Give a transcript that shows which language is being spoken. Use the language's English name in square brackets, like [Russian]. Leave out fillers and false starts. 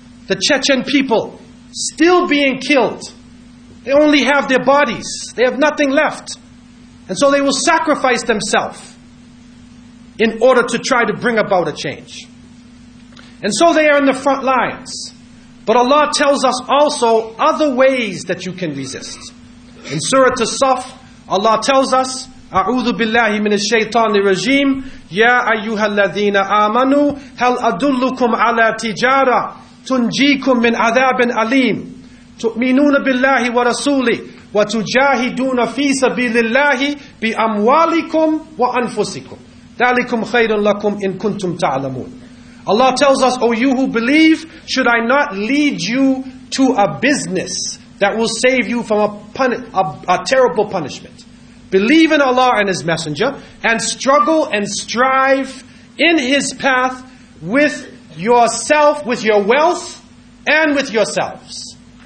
[English] The Chechen people still being killed. They only have their bodies. They have nothing left. And so they will sacrifice themselves in order to try to bring about a change. And so they are in the front lines. But Allah tells us also other ways that you can resist. In Surah As-Saff, Allah tells us, [Arabic] أعوذ بالله من الشيطان الرجيم يا أيها الذين آمنوا هل أدلكم على تجارة تنجيكم من عذاب أليم تؤمنون بالله ورسوله وتجاهدون في سبيل الله بأموالكم وأنفسكم ذلكم خير لكم إن كنتم تعلمون. [English] Allah tells us, O you who believe, should I not lead you to a business that will save you from a terrible punishment? Believe in Allah and His Messenger, and struggle and strive in His path with yourself, with your wealth, and with yourselves.